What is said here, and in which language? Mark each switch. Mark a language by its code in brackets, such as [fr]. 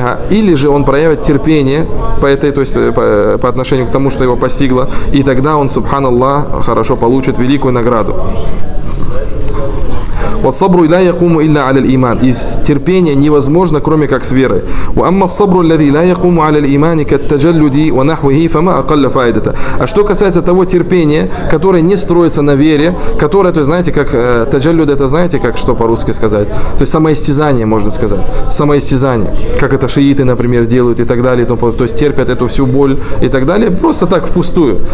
[ru] Или же он проявит терпение по этой, то есть, по отношению к тому, что его постигло, и тогда он, субханаллах, хорошо получит великую награду. [ar] والصبر لا يقوم إلا على الإيمان. [ru] И терпение невозможно, кроме как с верой. [ar] وأما الصبر الذي لا يقوم على الإيمان كالتجلد ونحوه فما أقل فائدته. [ru] А что касается того терпения, которое не строится на вере, которое, то есть, знаете, как таджаллюд, это знаете, как что по-русски сказать? То есть самоистязание, можно сказать. Самоистязание. Как это шииты, например, делают и так далее. То есть терпят эту всю боль и так далее. Просто так, впустую.